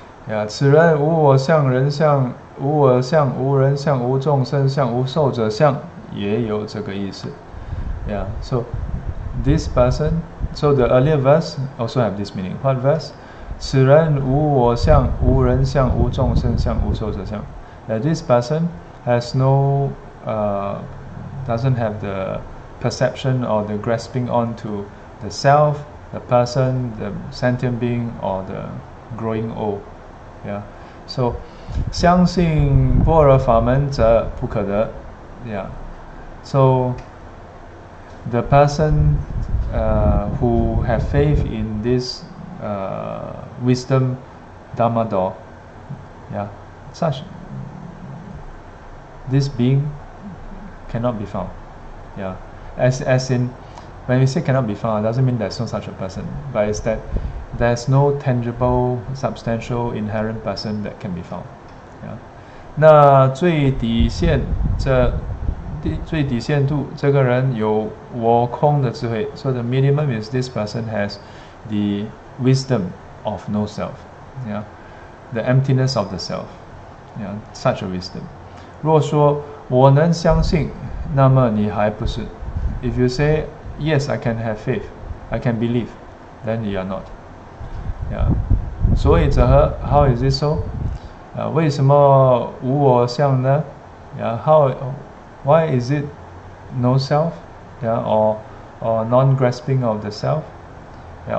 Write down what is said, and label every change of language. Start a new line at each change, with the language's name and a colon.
Chinese: Yeah, 此人无我相，人相无我相， 无人相， 无众生相， 无寿者相， 也有这个意思。
English: Yeah, so this person, so the earlier verse also have this meaning. What verse?
Chinese: 此人无我相， 无人相， 无众生相， 无寿者相。
English: This person has no doesn't have the perception or the grasping onto the self, the person, the sentient being, or the growing old. Yeah, so
Chinese: 相信般若法门则不可得.
English: Yeah, so the person who have faith in this wisdom Dharma door, yeah, such this being cannot be found. Yeah, as in when we say cannot be found, it doesn't mean there's no such a person, but it's that there's no tangible, substantial, inherent person that can be found. Yeah.
Chinese: 那最底线这个人有我空的智慧.
English: So the minimum is this person has the wisdom of no self. Yeah. The emptiness of the self. Yeah. Such a wisdom.
Chinese: 若说我能相信, 那么你还不是.
English: If you say, yes, I can have faith, I can believe, then you are not. Yeah.
Chinese: 所以则何?
English: How is this so?
Chinese: 为什么无我相呢?
English: Yeah. How? Why is it no self? Yeah. Or non-grasping of the self? Yeah.